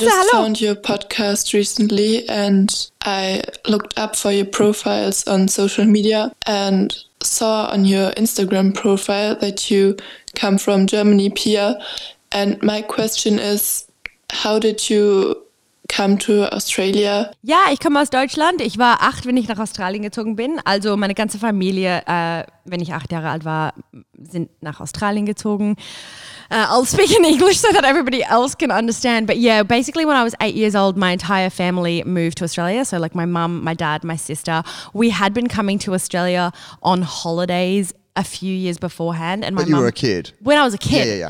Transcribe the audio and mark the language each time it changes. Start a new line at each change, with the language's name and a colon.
English: I just found your podcast recently and I looked up for your profiles on social media and saw on your Instagram profile that you come from Germany, Pia. And my question is, how did you come to Australia?
German: Ja, ich komme aus Deutschland. Ich war 8, wenn ich nach Australien gezogen bin. Also meine ganze Familie, wenn ich 8 Jahre alt war, sind nach Australien gezogen.
English: I'll speak in English so that everybody else can understand. But yeah, basically when I was 8 years old, my entire family moved to Australia. So like my mum, my dad, my sister. We had been coming to Australia on holidays a few years beforehand. And but my you mom, were a kid. When I was a kid. Yeah, yeah, yeah.